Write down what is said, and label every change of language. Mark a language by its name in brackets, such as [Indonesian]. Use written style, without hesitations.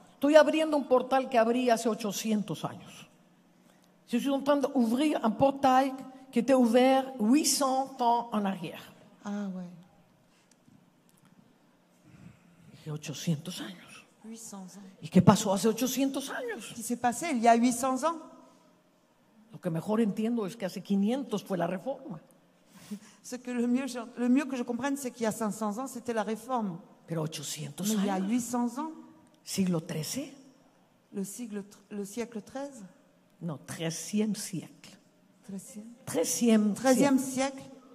[Spanish] Estoy abriendo un portal que abrí hace 800 años. [French] Je suis en train d'ouvrir un portail qui était ouvert 800 ans en arrière. Ah ouais. [Spanish] 800 años. [French] 800 ans. [Spanish] ¿Y qué pasó hace 800 años? [French] ¿Qué s'est passé il y a 800 ans? [Spanish] Lo que mejor entiendo es que hace 500 fue la reforma. [French] Ce que le mieux que je comprenne c'est qu'il y a 500 ans c'était la réforme. [Spanish] Pero 800 años. [French] Il y a 800 ans. [Spanish] Siglo 13. [French] Le siècle 13. No, 13e siècle. 13e siècle.